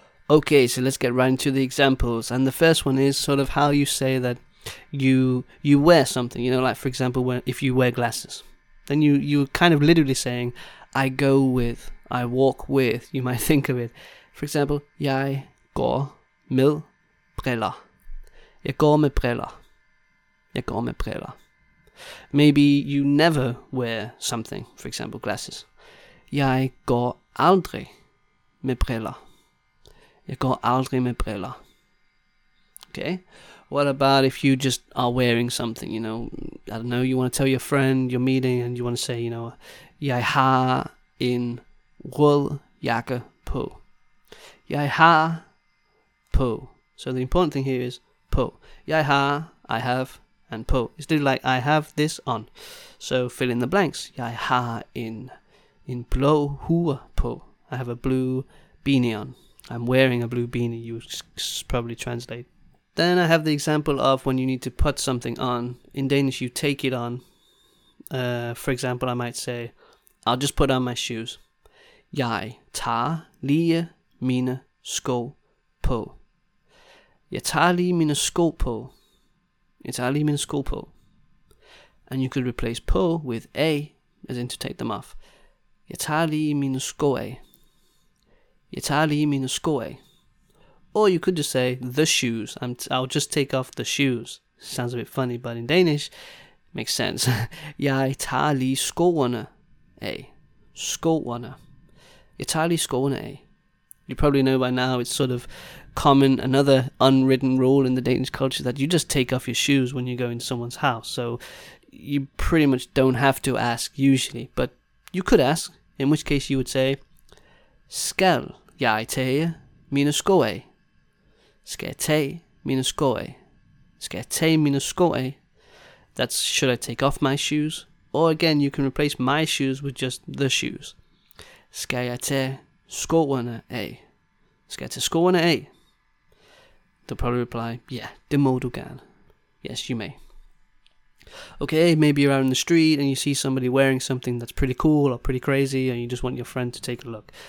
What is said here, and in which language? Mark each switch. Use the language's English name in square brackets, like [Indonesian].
[English] Okay, so let's get right into the examples. And the first one is sort of how you say that you wear something. You know, like for example, if you wear glasses, then you're kind of literally saying, I go with, I walk with, you might think of it. For example, [Danish] jeg går med briller. Jeg går med briller. Jeg går med briller. [English] Maybe you never wear something, for example, glasses. [Danish] Jeg går aldrig med briller. Jeg går aldrig med briller. [English] Okay? What about if you just are wearing something, you know? I don't know, you want to tell your friend you're meeting and you want to say, you know, [Danish] jeg har en rød jakke på. Jeg har på. [English] So the important thing here is på. [Danish] Jeg har, [English] I have, and på. It's literally like I have this on. So fill in the blanks. [Danish] Jeg har en blå hue på. [English] I have a blue beanie on. I'm wearing a blue beanie, you probably translate. Then I have the example of when you need to put something on. In Danish, you take it on. For example, I might say, I'll just put on my shoes. [Danish] Jeg tager lige mine sko på. Jeg tager lige mine sko på. Jeg tager lige mine sko på. [English] And you could replace på with a, as in to take them off. [Danish] Jeg tager lige mine sko af. Jeg tager lige mine sko af. [English] Or you could just say the shoes. I'll just take off the shoes. Sounds a bit funny, but in Danish, makes sense. [Danish] Jeg tager lige skoene af. Skoene. Jeg tager lige skoene af. [English] You probably know by now it's sort of common, another unwritten rule in the Danish culture that you just take off your shoes when you go into someone's house. So you pretty much don't have to ask usually, but you could ask. In which case you would say, [Danish] skal jeg tage mine sko af? Skal jeg tage mine sko af? Skal jeg tage mine sko af? [English] That's, should I take off my shoes? Or again, you can replace my shoes with just the shoes. [Danish] Skal jeg tage skoene af? Skal jeg tage skoene af? [English] They'll probably reply, yeah, [Danish] det må du gerne. [English] Yes, you may. Okay, maybe you're out in the street and you see somebody wearing something that's pretty cool or pretty crazy and you just want your friend to take a look.